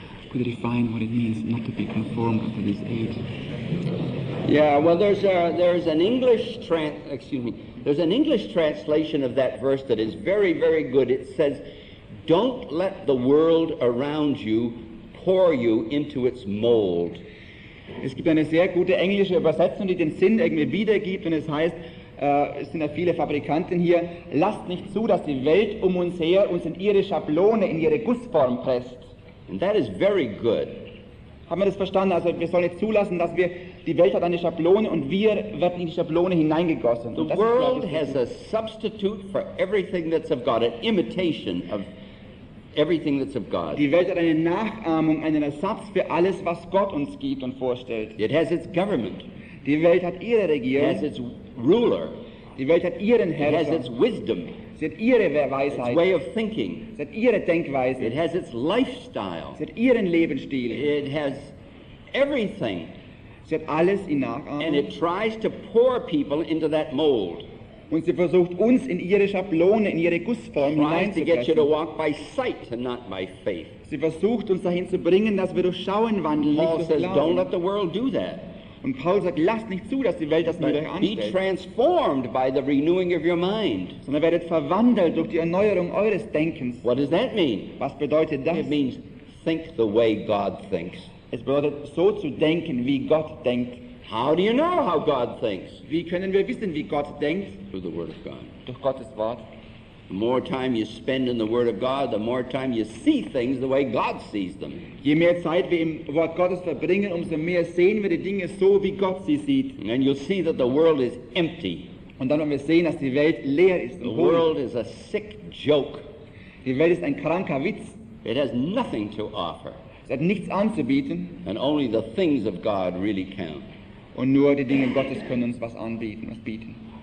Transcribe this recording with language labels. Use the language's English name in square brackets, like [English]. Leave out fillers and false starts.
[English] Could you define what it means not to be conformed unto this age? Yeah, well, there's an English translation of that verse that is very, very good. It says, Don't let the world around you pour you into its mold. [German] Es gibt eine sehr gute englische Übersetzung, die den Sinn irgendwie wiedergibt, und es heißt, es sind ja viele Fabrikanten hier, lasst nicht zu, dass die Welt um uns her uns in ihre Schablone, in ihre Gussform presst. [English] And that is very good. [German] Haben wir das verstanden? Also wir sollen nicht zulassen, dass wir, die Welt hat eine Schablone und wir werden in die Schablone hineingegossen. [English] The world has a substitute for everything that's of God, an imitation of everything that's of God. [German] Die Welt hat eine Nachahmung, einen Ersatz für alles, was Gott uns gibt und vorstellt. [English] It has its government. [German] Die Welt hat ihre Regierung. [English] It has its ruler. [German] Die Welt hat ihren Herrscher. [English] It has its wisdom. [German] Sie hat ihre Weisheit. [English] Its way of thinking. [German] Sie hat ihre Denkweise. [English] It has its lifestyle. [German] Sie hat ihren Lebensstil. [English] It has everything. [German] Sie hat alles in Nachahmung. [English] And it tries to pour people into that mold. [German] Und sie versucht uns in ihre Schablone, in ihre Gussform hineinzupressen. Sie versucht uns dahin zu bringen, dass wir durch Schauen wandeln, [English] Paul [German] nicht durch Glauben. [English] Says, don't let the world do that. [German] Und Paul sagt, lasst nicht zu, dass die Welt das nur durch anstellt. [English] Be transformed by the renewing of your mind. [German] Sondern werdet verwandelt durch die Erneuerung eures Denkens. [English] What does that mean? [German] Was bedeutet das? [English] It means, think the way God thinks. [German] Es bedeutet, so zu denken, wie Gott denkt. [English] How do you know how God thinks? [German] Wie können wir wissen, wie Gott denkt? [English] Through the Word of God. [German] Durch Gottes Wort. [English] The more time you spend in the Word of God, the more time you see things the way God sees them. [German] Je mehr Zeit wir im Wort Gottes verbringen, umso mehr sehen wir die Dinge so, wie Gott sie sieht. [English] And you'll see that the world is empty. [German] Und dann werden wir sehen, dass die Welt leer ist. [English] The world is a sick joke. [German] Die Welt ist ein kranker Witz. [English] It has nothing to offer. [German] Sie hat nichts anzubieten. [English] And only the things of God really count. [German] Und nur die Dinge Gottes können uns was anbieten, was bieten.